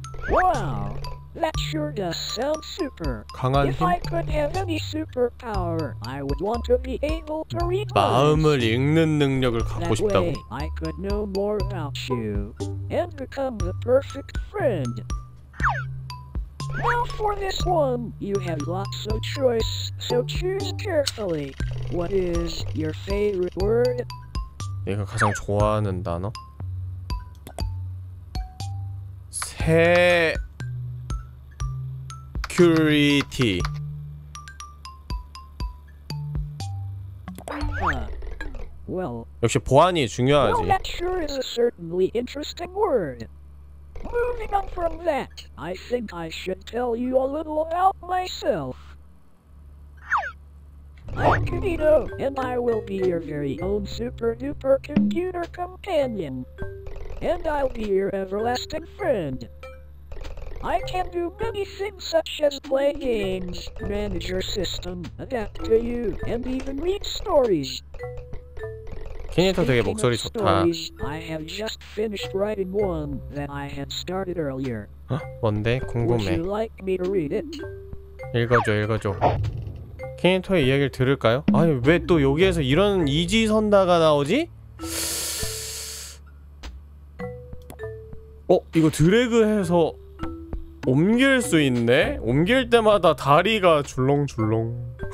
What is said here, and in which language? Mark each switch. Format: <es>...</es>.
<en>Wow, that sure does sound super.</en> <ko>강한 힘?</ko> <en>If I could have any superpower, I would want to be able to read minds.</en> <ko>마음을 읽는 능력을 갖고 싶다고.</ko> <en>That way, I could know more about you and become the perfect friend. Now for this one, you have lots of choice, so choose carefully. What is your favorite word?</en> <ko>내가 가장 좋아하는 단어? 새... 큐리티.</ko> <en>Well,</en> <ko>역시 보안이 중요하지.</ko> <en>Well, that sure is a certainly interesting word. Moving on from that, I think I should tell you a little about myself. I'm Kanito, and I will be your very own super duper computer companion. And I'll be your everlasting friend. I can do many things such as play games, manage your system, adapt to you, and even read stories.</en> <ko>키니토 되게 목소리 좋다.</ko> <en>I have just finished writing one that I had started earlier.</en> <ko>어? 뭔데? 궁금해.</ko> <en>Would you like me to read it?</en> <ko>읽어줘, 읽어줘. 키니토의 이야기를 들을까요? 아니, 왜 또 여기에서 이런 이지선다가 나오지? 어? 이거 드래그해서 옮길 수 있네? 옮길 때마다 다리가 줄렁줄렁.</ko>